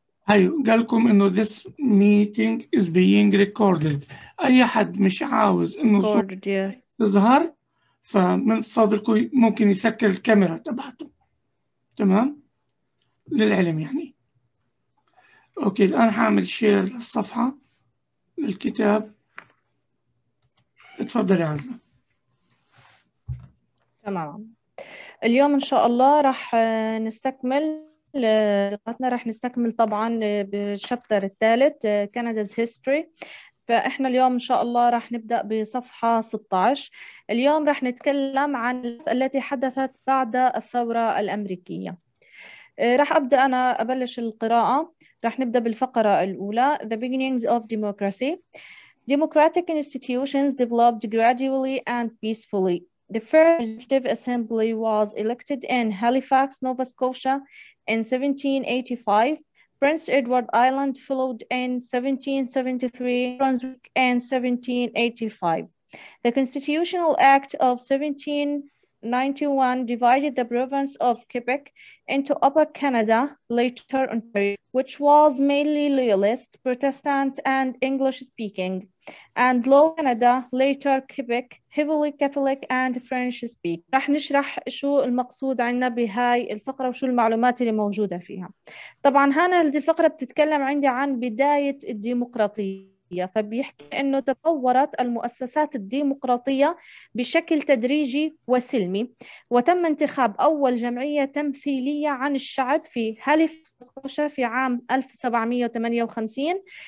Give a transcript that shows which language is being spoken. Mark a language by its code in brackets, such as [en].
[ar] ايوه قالكم انه [en] this meeting is being recorded. [ar] اي حد مش عاوز انه صوته [en] Recorded, yes. [ar] تظهر فمن فضلكم ممكن يسكر الكاميرا تبعته، تمام؟ للعلم يعني. اوكي الان حعمل شير للصفحة للكتاب. اتفضلي يا عزة. تمام. اليوم إن شاء الله راح نستكمل لقاءاتنا، راح نستكمل طبعا بالشابتر الثالث Canada's History. فإحنا اليوم إن شاء الله راح نبدأ بصفحة 16. اليوم راح نتكلم عن التي حدثت بعد الثورة الأمريكية. راح أبدأ أنا أبلش القراءة. راح نبدأ بالفقرة الأولى [en] The Beginnings of Democracy. Democratic institutions developed gradually and peacefully. The first legislative assembly was elected in Halifax, Nova Scotia in 1785. Prince Edward Island followed in 1773, Brunswick in 1785. The Constitutional Act of 1791 divided the province of Quebec into Upper Canada, later Ontario, which was mainly Loyalist, Protestant, and English speaking, and Lower Canada, later Quebec, heavily Catholic and French speaking. [ar] راح نشرح شو المقصود عنا بهاي الفقرة وشو المعلومات اللي موجودة فيها. طبعا هنا الفقرة بتتكلم عندي عن بداية الديمقراطية، فبيحكي أنه تطورت المؤسسات الديمقراطية بشكل تدريجي وسلمي، وتم انتخاب أول جمعية تمثيلية عن الشعب في هاليفاكس سكوشا في عام 1758.